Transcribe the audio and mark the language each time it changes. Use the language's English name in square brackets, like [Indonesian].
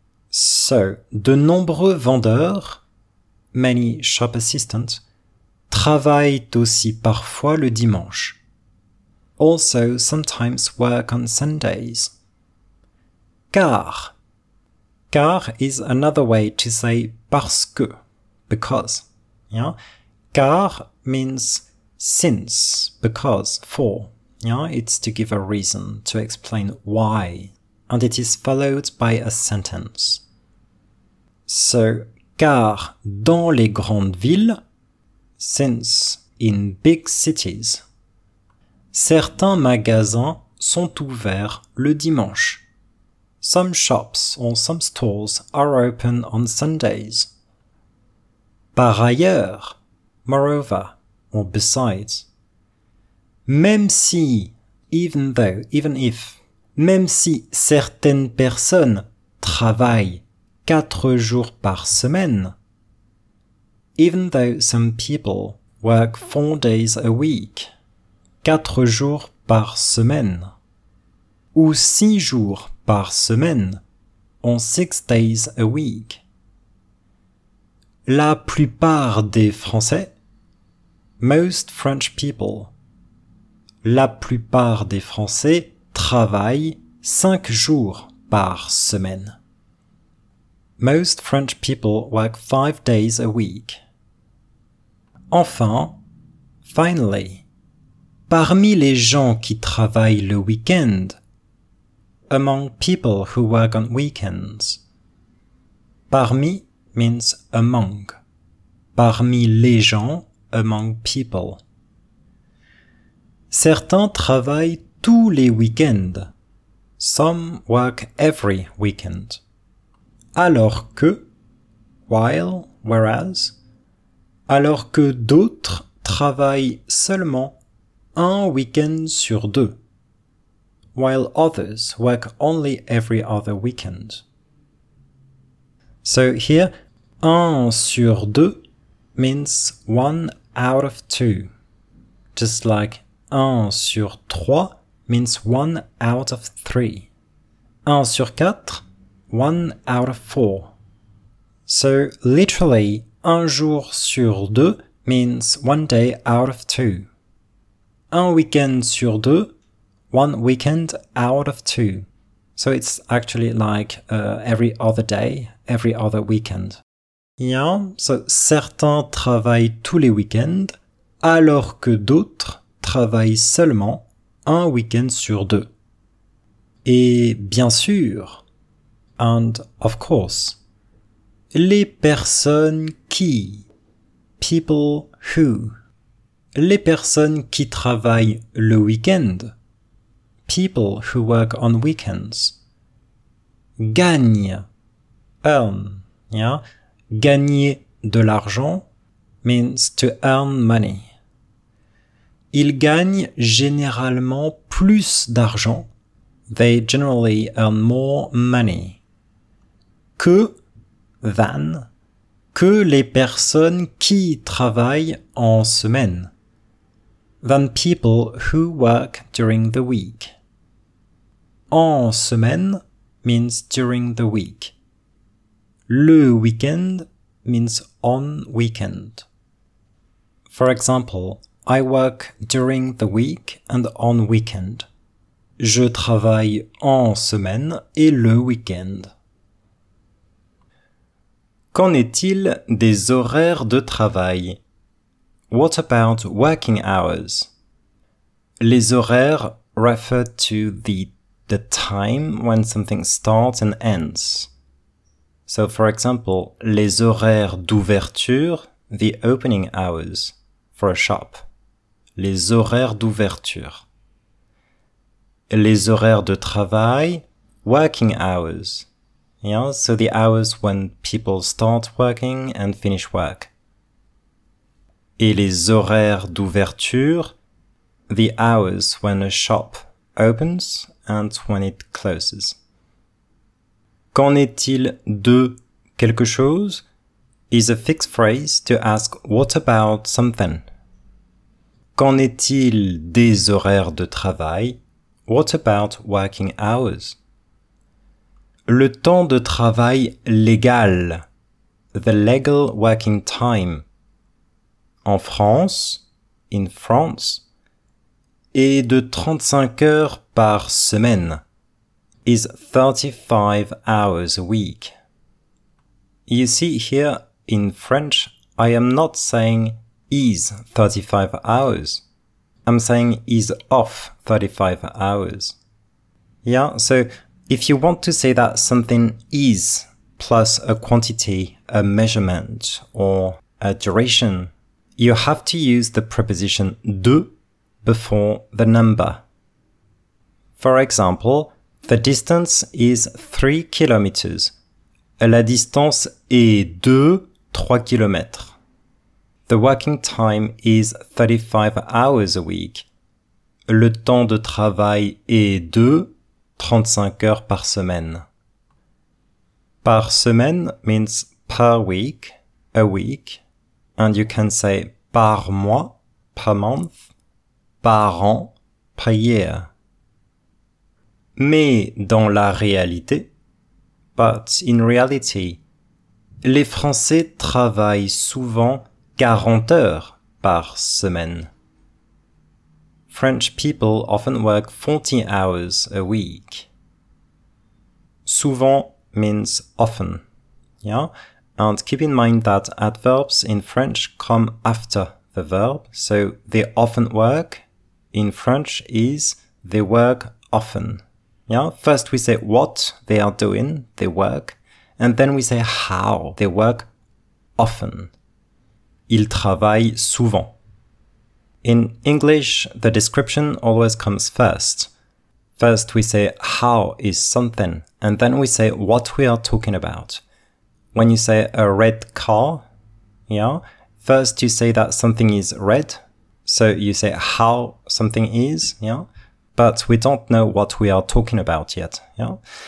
[French] So, de nombreux vendeurs, [English] many shop assistants, [French] travaillent aussi parfois le dimanche. [English] Also, sometimes work on Sundays. Car. Car is another way to say [French] parce que, [English] because. Yeah? Car means since, because, for. Yeah? It's to give a reason, to explain why. And it is followed by a sentence. [French] So, car dans les grandes villes, [English] since in big cities, [French] certains magasins sont ouverts le dimanche. [English] Some shops or some stores are open on Sundays. [French] Par ailleurs, [English] moreover, or besides, [French] même si, [English] even though, even if, [French] même si certaines personnes travaillent 4 jours par semaine. [English] Even though some people work 4 days a week. [French] 4 jours par semaine. Ou 6 jours par semaine. [English] On 6 days a week. [French] La plupart des Français. [English] Most French people. [French] La plupart des Français travaillent 5 jours par semaine. [English] Most French people work 5 days a week. [French] Enfin, [English] finally, [French] parmi les gens qui travaillent le week-end, [English] among people who work on weekends, [French] parmi [English] means among, [French] parmi les gens, [English] among people. [French] Certains travaillent tous les week-ends. [English] Some work every weekend. [French] Alors que, [English] while, whereas. [French] Alors que d'autres travaillent seulement un week-end sur deux. [English] While others work only every other weekend. So here, un sur deux means one out of two. Just like un sur trois means one out of three. [French] Un sur quatre, [English] one out of four. So literally, [French] un jour sur deux [English] means one day out of two. [French] Un week-end sur deux, [English] one weekend out of two. So it's actually like every other day, every other weekend. [French] Yeah, so certains travaillent tous les week-ends, alors que d'autres travaillent seulement un week-end sur deux. Et bien sûr, [English] and of course, [French] les personnes qui, [English] people who, [French] les personnes qui travaillent le week-end, [English] people who work on weekends, [French] gagnent, [English] earn, [French] yeah, gagner de l'argent [English] means to earn money. [French] Ils gagnent généralement plus d'argent, [English] they generally earn more money, [French] que, [English] than, [French] que les personnes qui travaillent en semaine, [English] than people who work during the week. [French] En semaine [English] means during the week. [French] Le week-end [English] means on weekend. For example, I work during the week and on weekend. [French] Je travaille en semaine et le week-end. Qu'en est-il des horaires de travail? [English] What about working hours? Les horaires refer to the time when something starts and ends. So for example, [French] les horaires d'ouverture, [English] the opening hours for a shop. [French] Les horaires d'ouverture. Les horaires de travail, [English] working hours. Yeah, so the hours when people start working and finish work. [French] Et les horaires d'ouverture, [English] the hours when a shop opens and when it closes. [French] Qu'en est-il de quelque chose? [English] Is a fixed phrase to ask what about something. [French] Qu'en est-il des horaires de travail? [English] What about working hours? [French] Le temps de travail légal, [English] the legal working time, [French] en France, [English] in France, [French] est de 35 heures par semaine, [English] is 35 hours a week. You see here, in French, I am not saying is 35 hours. I'm saying is of 35 hours. Yeah, so if you want to say that something is plus a quantity, a measurement, or a duration, you have to use the preposition de before the number. For example, the distance is 3 kilometers. [French] La distance est de 3 kilomètres. [English] The working time is 35 hours a week. [French] Le temps de travail est de 35 heures par semaine. Par semaine [English] means per week, a week. And you can say [French] par mois, [English] per month, [French] par an, [English] per year. [French] Mais dans la réalité, [English] but in reality, [French] les Français travaillent souvent 40 heures par semaine. [English] French people often work 40 hours a week. Souvent means often. Yeah? And keep in mind that adverbs in French come after the verb. So they often work in French is they work often. Yeah? First we say what they are doing, they work. And then we say how they work often. [French] Ils travaillent souvent. [English] In English, the description always comes first. First, we say how is something, and then we say what we are talking about. When you say a red car, yeah, first you say that something is red, so you say how something is, yeah, but we don't know what we are talking about yet, yeah.